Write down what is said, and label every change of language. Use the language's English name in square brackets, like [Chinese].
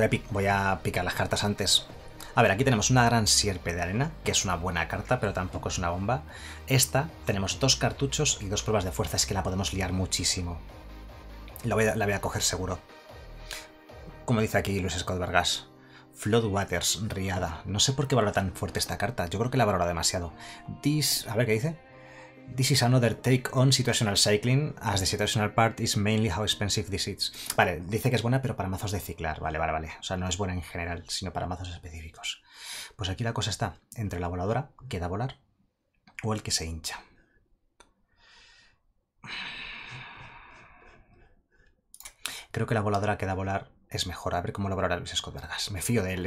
[Spanish] Voy a picar las cartas antes. A ver, aquí tenemos una gran sierpe de arena, que es una buena carta, pero tampoco es una bomba. Esta, tenemos dos cartuchos y dos pruebas de fuerza. Es que la podemos liar muchísimo. La voy a coger seguro. Como dice aquí Luis Scott Vargas. Floodwaters, riada. No sé por qué valora tan fuerte esta carta. Yo creo que la valora demasiado. A ver, ¿qué dice? [English] This is another take on situational cycling, as the situational part is mainly how expensive this is. [Spanish] Vale, dice que es buena, pero para mazos de ciclar. Vale, vale, vale. O sea, no es buena en general, sino para mazos específicos. Pues aquí la cosa está entre la voladora, que da volar, o el que se hincha. Creo que la voladora que da volar es mejor. A ver cómo lo valora Luis Scott Vargas. Me fío de él.